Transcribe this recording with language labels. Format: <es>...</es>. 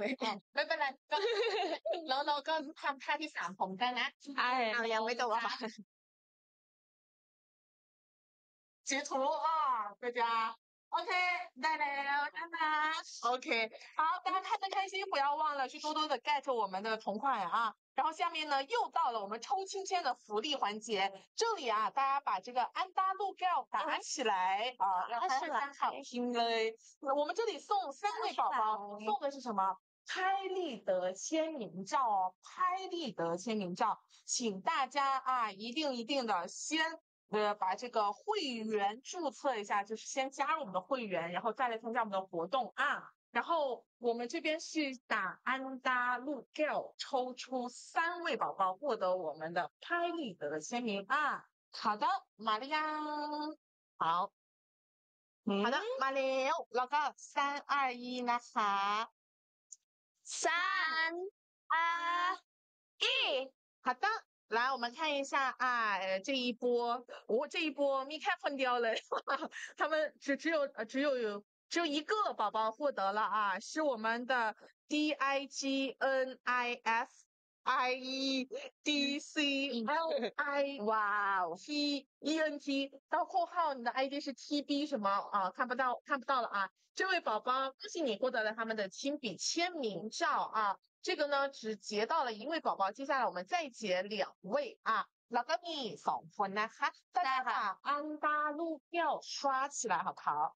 <th>หมไม่เป็นไรก็แล้วก็ทำท่าที่สามผมกันนะ ใช่ยังไม่จบอ่ะ จิตูอ่ะก็จะโอเคได้แล้วนะนะโอเค</th> <zh>好大家看得开心不要忘了去多多的 get 我们的同款啊然后下面呢又到了我们抽亲签的福利环节这里啊大家把这个安达路票打起来啊让大家好听了我们这里送三位宝宝送的是什么拍立得签名照哦拍立得签名照请大家啊一定的先把这个会员注册一下就是先加入我们的会员然后再来参加我们的活动啊然后我们这边是打安达路 girl 抽出三位宝宝获得我们的拍立得的签名啊好的玛利亚好，好的，</zh> <th>มาแล้วแล้วก็</th> <zh>三二一</zh> <th>นะคะ</th> <zh>三二一好的来我们看一下啊这一波我、哦、这一波咪开碰掉了他们只有一个宝宝获得了啊是我们的 DIGNISIEDCLIYTENT 到括号你的 ID 是 TB 什么啊看不到看不到了啊这位宝宝恭喜你获得了他们的亲笔签名照啊这个呢只截到了一位宝宝接下来我们再截两位啊老哥你送分呢哈大家把安大路票刷起来好不好</zh>